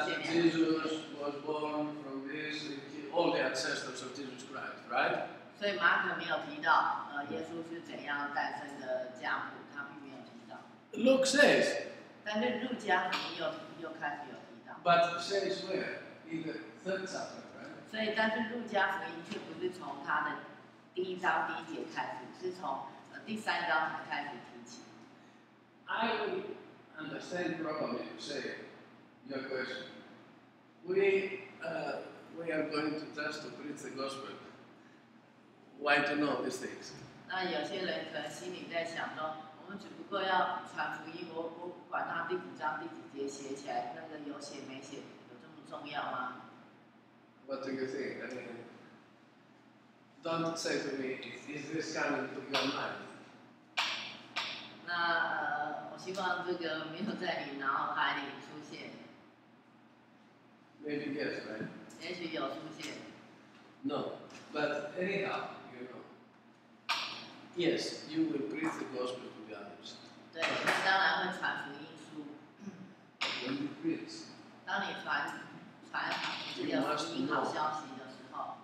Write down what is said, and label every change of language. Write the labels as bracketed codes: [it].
[en] Jesus was born from this, all the ancestors of Jesus Christ, right? [zh] 所以马可没有提到耶稣是怎样诞生的家谱，他并没有提到。 [en] Luke says. [zh] 但是路加福音又开始有提到。 [en] But says where? In the third chapter, right? [zh] 所以但是路加福音却不是从他的第一章第一节开始，是从第三章才开始提起。 [en] I understand properly. Say your question. We we are going to just to preach the gospel. Why to know these things? [zh] 那有些人可能心里在想说，我们只不过要传福音，我不管他第几章第几节写起来，那个有写没写，有这么重要吗？ [en] What do you think? I mean, don't say to me, is this coming to your mind? [zh] 那我希望这个没有在你脑海里出现。 [en] Maybe yes, right? [zh] 也许有出现。 [en] No, but anyhow, you know. Yes, you will preach the gospel to be honest. [zh] 对，你当然会传福音书。 [en] When you preach. [zh] 当你传这个福音好消息的时候，